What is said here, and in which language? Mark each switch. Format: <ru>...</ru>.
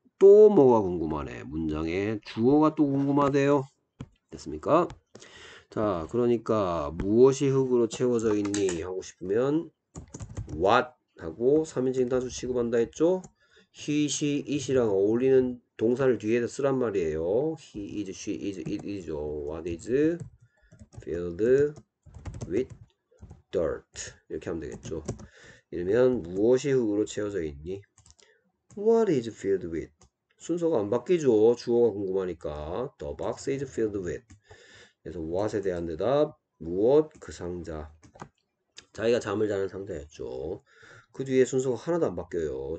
<ko>또 뭐가 궁금하네. 문장에 주어가 또 궁금하대요. 됐습니까? 자, 그러니까 무엇이 흙으로 채워져 있니? 하고 싶으면 what 하고 3인칭 단수 취급한다 했죠. he, she, it이랑 어울리는 동사를 뒤에다 쓰란 말이에요.</ko> <en>he is, she is, it is, what is filled with dirt.</en> <ko>이렇게 하면 되겠죠. 이러면 무엇이 흙으로 채워져 있니?</ko> <en>what is filled with.</en> <ko>순서가 안 바뀌죠. 주어가 궁금하니까.</ko> <en>The box is filled with.</en> <ko>그래서 what에 대한 대답. 무엇? 그 상자. 자기가 잠을 자는 상자였죠. 그 뒤에 순서가 하나도 안 바뀌어요.</ko>